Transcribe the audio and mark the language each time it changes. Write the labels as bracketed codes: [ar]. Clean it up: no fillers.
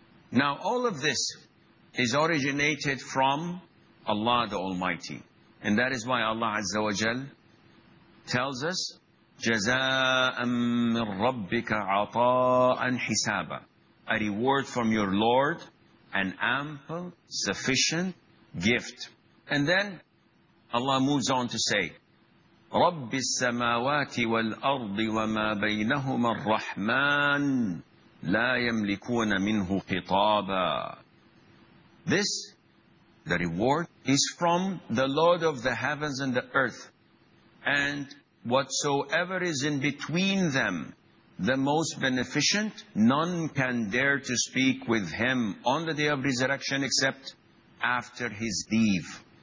[en] Now all of this is originated from Allah the Almighty. And that is why Allah Azza wa Jal tells us, [ar] جَزَاءً مِّن رَبِّكَ عَطَاءً حِسَابًا. [en] A reward from your Lord, an ample, sufficient gift. And then Allah moves on to say, [ar] رب السماوات والأرض وما بينهما الرحمن لا يملكون منه خطابا. [en] This, the reward, is from the Lord of the heavens and the earth, and whatsoever is in between them, the most beneficent, none can dare to speak with him on the day of resurrection except after his leave.